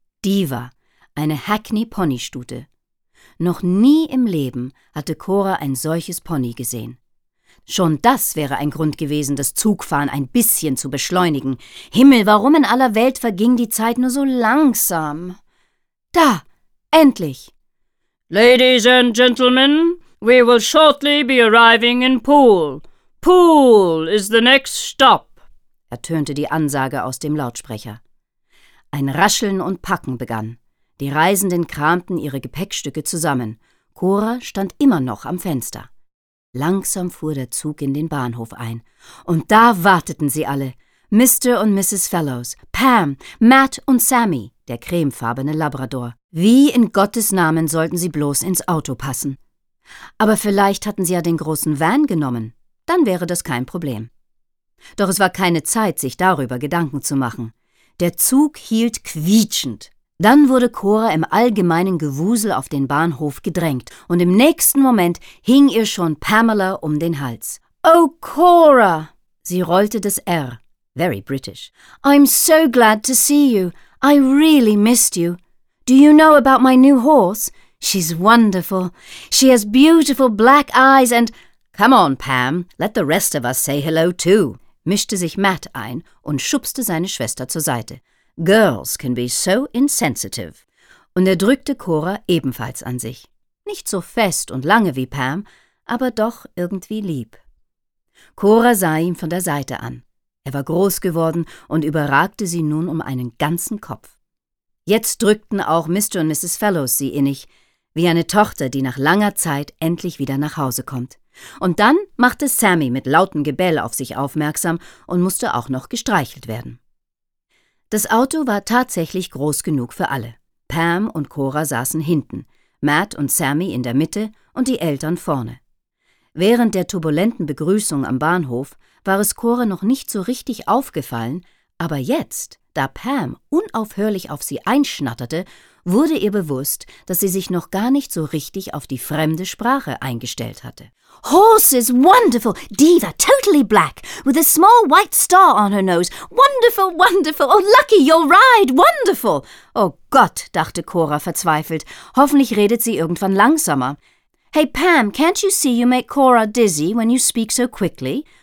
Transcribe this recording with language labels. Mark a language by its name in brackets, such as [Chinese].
[German] Diva, eine Hackney-Ponystute. Noch nie im Leben hatte Cora ein solches Pony gesehen. Schon das wäre ein Grund gewesen, das Zugfahren ein bisschen zu beschleunigen. Himmel, warum in aller Welt verging die Zeit nur so langsam? Da, endlich! [English] Ladies and Gentlemen, we will shortly be arriving in Poole. Poole is the next stop, [German] ertönte die Ansage aus dem Lautsprecher. Ein Rascheln und Packen begann. Die Reisenden kramten ihre Gepäckstücke zusammen. Cora stand immer noch am Fenster. Langsam fuhr der Zug in den Bahnhof ein. Und da warteten sie alle. Mr. und Mrs. Fellows, Pam, Matt und Sammy, der cremefarbene Labrador. Wie in Gottes Namen sollten sie bloß ins Auto passen? Aber vielleicht hatten sie ja den großen Van genommen. Dann wäre das kein Problem. Doch es war keine Zeit, sich darüber Gedanken zu machen. Der Zug hielt quietschend. Dann wurde Cora im allgemeinen Gewusel auf den Bahnhof gedrängt und im nächsten Moment hing ihr schon Pamela um den Hals. »Oh, Cora!« Sie rollte das R. [English] Very British. »I'm so glad to see you. I really missed you. Do you know about my new horse? She's wonderful. She has beautiful black eyes and...« »Come on, Pam, let the rest of us say hello too«, [German] mischte sich Matt ein und schubste seine Schwester zur Seite. [English] »Girls can be so insensitive«, [German] und er drückte Cora ebenfalls an sich. Nicht so fest und lange wie Pam, aber doch irgendwie lieb. Cora sah ihn von der Seite an. Er war groß geworden und überragte sie nun um einen ganzen Kopf. Jetzt drückten auch Mr. und Mrs. Fellows sie innig, wie eine Tochter, die nach langer Zeit endlich wieder nach Hause kommt. Und dann machte Sammy mit lautem Gebell auf sich aufmerksam und musste auch noch gestreichelt werden. Das Auto war tatsächlich groß genug für alle. Pam und Cora saßen hinten, Matt und Sammy in der Mitte und die Eltern vorne. Während der turbulenten Begrüßung am Bahnhof war es Cora noch nicht so richtig aufgefallen, aber jetzt, da Pam unaufhörlich auf sie einschnatterte, wurde ihr bewusst, dass sie sich noch gar nicht so richtig auf die fremde Sprache eingestellt hatte. [English] Horses, wonderful, diva, totally black, with a small white star on her nose. Wonderful, wonderful, oh lucky, you'll ride, wonderful. [German] Oh Gott, dachte Cora verzweifelt, hoffentlich redet sie irgendwann langsamer. [English] Hey Pam, can't you see you make Cora dizzy when you speak so quickly?